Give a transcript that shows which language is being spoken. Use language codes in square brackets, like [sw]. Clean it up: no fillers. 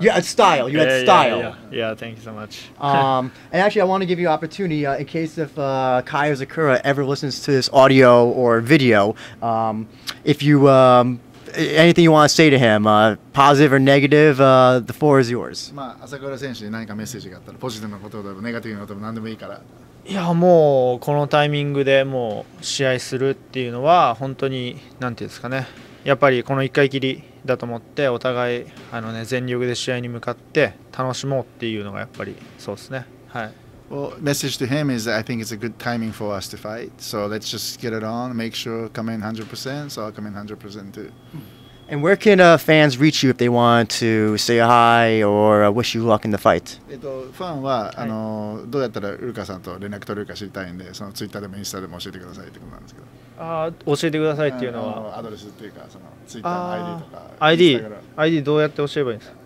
[en] You had style. You had style. Yeah, thank you so much. And actually, I want to give you an opportunity in case if Kai Ozakura ever listens to this audio or video. If you anything you want to say to him, positive or negative, the floor is yours. [ja] Asakura 選手に何かメッセージがあったら、ポジティブなことでもネガティブなことでも何でもいいから。いや、もうこのタイミングでもう試合するっていうのは本当に何て言うんですかね。やっぱりこの一回きりだと思って、お互いあのね全力で試合に向かって楽しもうっていうのがやっぱりそうですね。はい。 [en] Well, message to him is that I think it's a good timing for us to fight. So let's just get it on, make sure come in 100%. So I'll come in 100% too. And where can fans reach you if they want to say hi or wish you luck in the fight? [ja] ファンは、どうやったらルカさんと連絡取れるか知りたいんで、そのツイッターでもインスタでも教えてくださいってことなんですけど。教えてくださいっていうのは、アドレスっていうか、そのツイッターの ID とか。 ID どうやって教えればいいんですか？